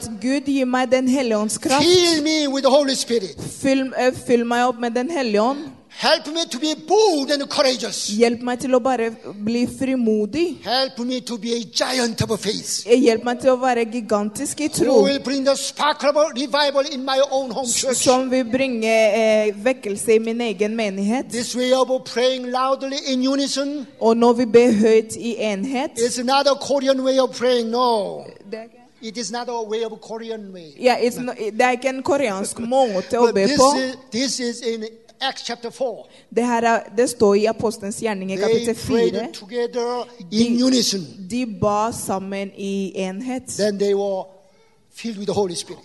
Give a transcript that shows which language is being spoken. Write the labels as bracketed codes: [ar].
[sv] Låt Gud ge mig den helions kraft. [en] Fill me with the Holy Spirit. [sv] Fyll mig upp med den helion. [en] Help me to be bold and courageous. [sv] Hjälp mig till att bara bli frimodig. [en] Help me to be a giant of faith. [sv] Hjälp mig till att vara gigantisk I tro. [en] Who will bring the spark of revival in my own home church? [sv] Som vill bringa väckelse I min egen menighet. [en] This way of praying loudly in unison. [sv] Och när vi ber högt I enhet. [en] It's not a Korean way of praying, no. It is not a way of Korean way. Yeah, it's not. [sv] Det är inte en koreansk måte att be på. [en] This is in Acts chapter 4. [sv] Det här det står I Apostlens gärningar kapitel 4. [en] Together in unison. [sv] De bar sammen I enhet. [en] Then they were filled with the Holy Spirit.